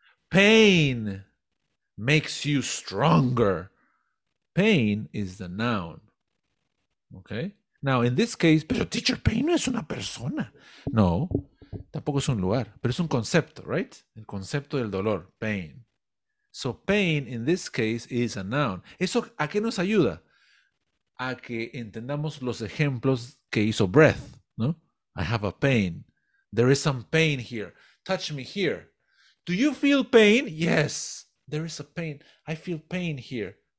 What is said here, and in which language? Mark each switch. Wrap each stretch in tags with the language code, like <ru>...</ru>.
<en>Pain makes you stronger. Pain is the noun. Okay? Now, in this case,</en> <es>pero teacher pain no es una persona. No, tampoco es un lugar, pero es un concepto,</es> <en>right?</en> <es>El concepto del dolor, pain.</es> <en>So pain, in this case, is a noun.</en> <es>¿Eso a qué nos ayuda? A que entendamos los ejemplos que hizo breath, ¿no?</es> <en>I have a pain. There is some pain here. Touch me here. Do you feel pain? Yes, there is a pain. I feel pain here.</en>